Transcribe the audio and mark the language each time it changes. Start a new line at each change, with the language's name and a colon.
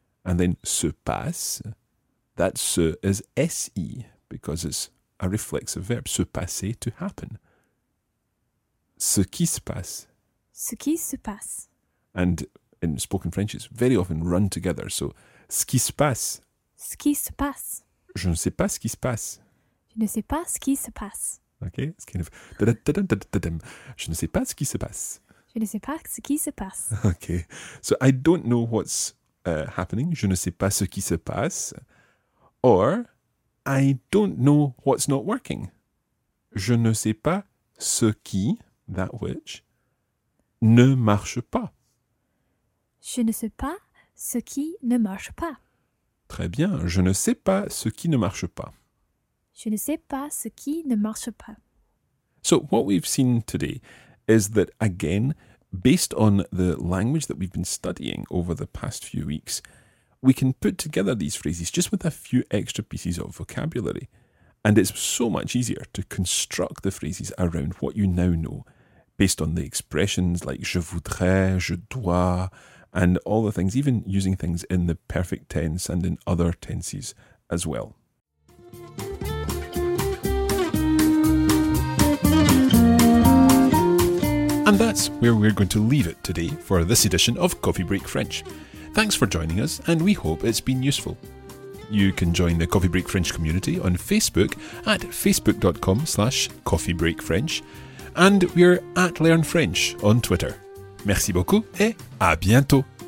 English: And then
French: se passe,
English: that ce is S-E, because it's a reflexive verb,
French: se passer,
English: to happen.
French: Ce qui se passe. Ce qui se passe.
English: And in spoken French, it's very often run together, so
French: ce qui se passe. Ce qui se passe. Je ne sais pas ce qui se passe. Je ne sais pas ce qui se passe.
English: Okay, it's kind of... Da-da-da-da-da-da-da-dum.
French: Je ne sais pas ce qui se passe. Je ne sais pas ce qui se passe.
English: Okay, so I don't know what's happening.
French: Je ne sais pas ce qui se passe.
English: Or, I don't know what's not working.
French: Je ne sais pas ce qui,
English: that which,
French: ne marche pas. Je ne sais pas ce qui ne marche pas. Très bien, je ne sais pas ce qui ne marche pas. Je ne sais pas ce qui ne marche pas.
English: So what we've seen today is that, again, based on the language that we've been studying over the past few weeks, we can put together these phrases just with a few extra pieces of vocabulary. And it's so much easier to construct the phrases around what you now know, based on the expressions like
French: je voudrais, je dois,
English: and all the things, even using things in the perfect tense and in other tenses as well. And that's where we're going to leave it today for this edition of Coffee Break French. Thanks for joining us, and we hope it's been useful. You can join the Coffee Break French community on Facebook at facebook.com/coffeebreakfrench, and we're at Learn French on Twitter.
French: Merci beaucoup et à bientôt!